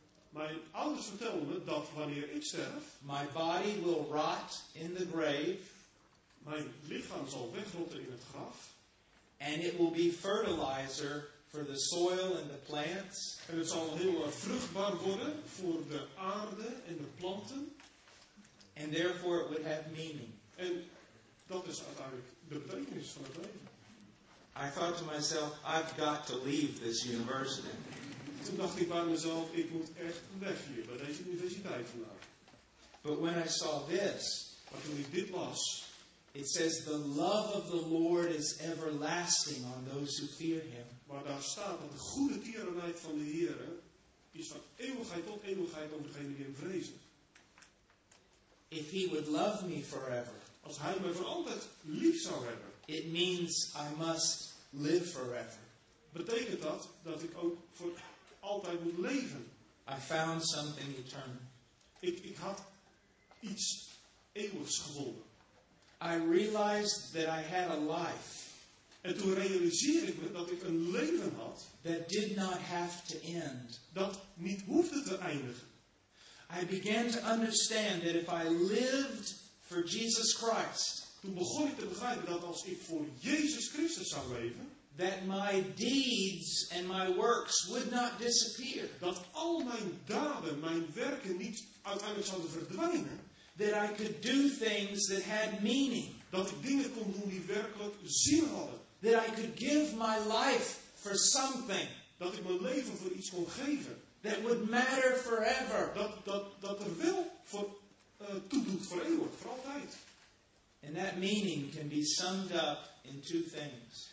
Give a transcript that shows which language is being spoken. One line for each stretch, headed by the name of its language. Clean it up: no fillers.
Dutch: Mijn ouders vertelden me dat wanneer ik sterf.
English: My body will rot in the grave.
Dutch: Mijn lichaam zal wegrotten in het graf.
English: And it will be fertilizer for the soil and the plants.
Dutch: En het zal heel vruchtbaar worden voor de aarde en de planten.
English: And therefore it would have meaning.
Dutch: En dat is uiteindelijk de betekenis van het leven.
English: I thought to myself, I've got to leave this university.
Dutch: Toen dacht ik bij mezelf, ik moet echt weg hier bij deze universiteit vandaag.
English: But when I saw this,
Dutch: maar toen ik dit las,
English: it says the love of the Lord is everlasting on those who fear Him.
Dutch: Maar daar staat dat de goede tierenheid van de Heer is van eeuwigheid tot eeuwigheid over degenen die Hem vrezen.
English: If He would love me forever,
Dutch: als Hij me voor altijd lief zou hebben.
English: It means I must live forever.
Dutch: Betekent dat dat ik ook voor altijd moet leven?
English: I found something eternal.
Dutch: Ik had iets eeuwigs gevonden.
English: I realized that I had a life.
Dutch: En toen realiseerde ik me dat ik een leven had.
English: That did not have to end.
Dutch: Dat niet hoefde te eindigen.
English: I began to understand that if I lived for Jesus Christ.
Dutch: Toen begon ik te begrijpen dat als ik voor Jezus Christus zou leven,
English: that my deeds and my works would not disappear.
Dutch: Dat al mijn daden, mijn werken niet uiteindelijk zouden verdwijnen.
English: That I could do things that had meaning.
Dutch: Dat ik dingen kon doen die werkelijk zin hadden.
English: That I could give my life for something.
Dutch: Dat ik mijn leven voor iets kon geven.
English: That would matter forever.
Dutch: Dat er wel voor toe doet voor eeuwig, voor altijd.
English: And that meaning can be summed up in two things.